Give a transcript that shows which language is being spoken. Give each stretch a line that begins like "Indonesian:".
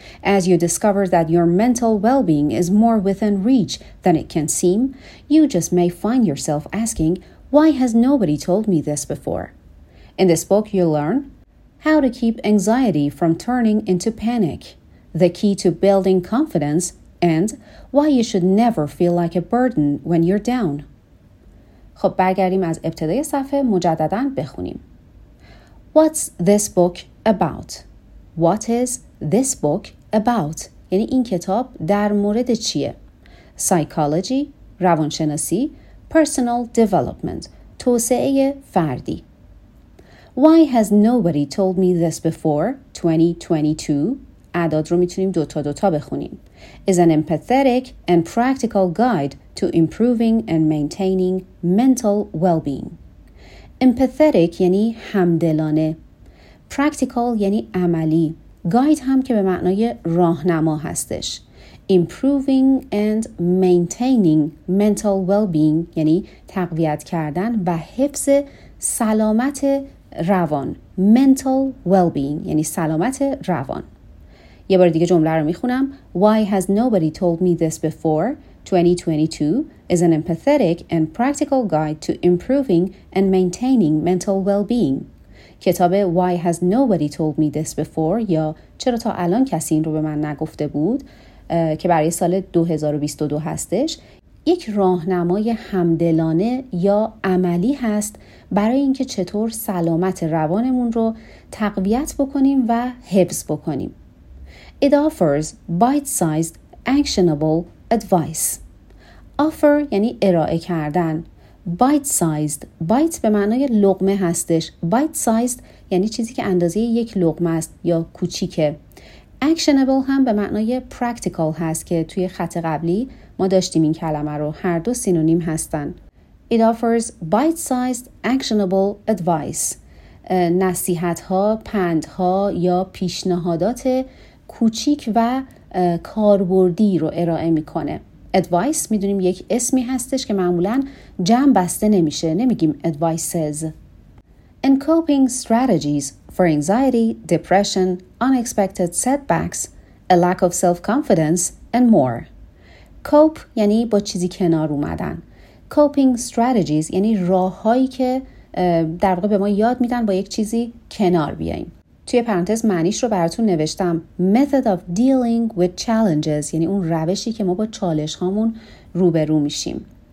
English: As you discover that your mental well-being is more within reach than it can seem, you just may find yourself asking, "Why has nobody told me this before?" In this book, you'll learn how to keep anxiety from turning into panic, the key to building confidence, and why you should never feel like a burden when you're down.
Persian: خب برگردیم از ابتدای صفحه مجدداً بخونیم.
English: What's this book about? What is this book about?
Persian: یعنی این کتاب در مورد چیه؟ Psychology، روانشناسی، personal development، توسعه فردی.
English: Why has nobody told me this before?
Persian: 2022. اعداد رو میتونیم دوتا دوتا بخونیم.
English: Is an empathetic and practical guide to improving and maintaining mental well-being.
Persian: Empathetic یعنی همدلانه. Practical یعنی عملی. Guide هم که به معنای راهنما هستش.
English: Improving and maintaining mental well-being
Persian: یعنی تقویت کردن و حفظ سلامت روان. Mental well-being یعنی سلامت روان. یه بار دیگه جمله رو میخونم.
English: Why has nobody told me this before? 2022 is an empathetic and practical guide to improving and maintaining mental well-being.
Persian: کتاب
English: Why has nobody told me this before
Persian: یا چرا تا الان کسی این رو به من نگفته بود که برای سال 2022 هستش، یک راهنمای همدلانه یا عملی هست برای اینکه چطور سلامت روانمون رو تقویت بکنیم و حفظ بکنیم.
English: It offers bite-sized actionable advice.
Persian: Offer یعنی ارائه کردن. Bite-sized. Bite به معنای لقمه هستش. Bite-sized یعنی چیزی که اندازه یک لقمه است یا کوچیکه. Actionable هم به معنای practical هست که توی خط قبلی ما داشتیم این کلمه رو. هر دو سینونیم هستن.
English: It offers bite-sized actionable advice.
Persian: نصیحت‌ها، پندها یا پیشنهادات کوچیک و کاربردی رو ارائه می‌کنه. Advice می‌دونیم یک اسمی هستش که معمولاً جمع بسته نمیشه. نمیگیم advices.
English: And coping strategies for anxiety, depression, unexpected setbacks, a lack of self-confidence and more.
Persian: Cope یعنی با چیزی کنار اومدن. Coping strategies یعنی راه‌هایی که در واقع به ما یاد میدن با یک چیزی کنار بیاییم. توی پرانتز معنیش رو براتون نوشتم.
English: Method of dealing with challenges
Persian: یعنی اون روشی که ما با چالش هامون روبرو میشیم.